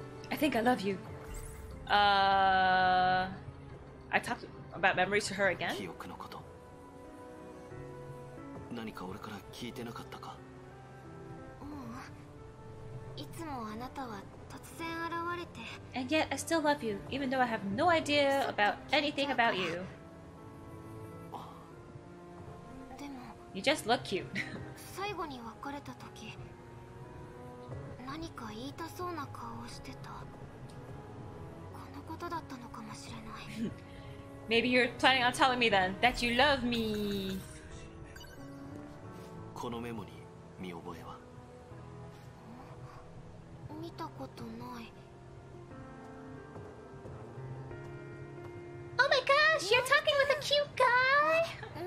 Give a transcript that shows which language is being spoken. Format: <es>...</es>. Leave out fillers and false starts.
<en>I think I love you. I talked about memories to her again.</en> <ja>記憶のこと。何か俺から聞いてなかったか。ううん、いつもあなたは突然現れて。</ja> <en>And yet I still love you, even though I have no idea about anything about you.</en> <ja>でも。</ja> <en>You just look cute.</en> <ja>最後に別れた時、何か言いたそうな顔をしてた。このことだったのかもしれない。</ja> <en>Maybe you're planning on telling me then that you love me.</en> <ja>このメモに見覚えは？見たことない。</ja> <en>Oh my gosh, you're talking with a cute guy.</en>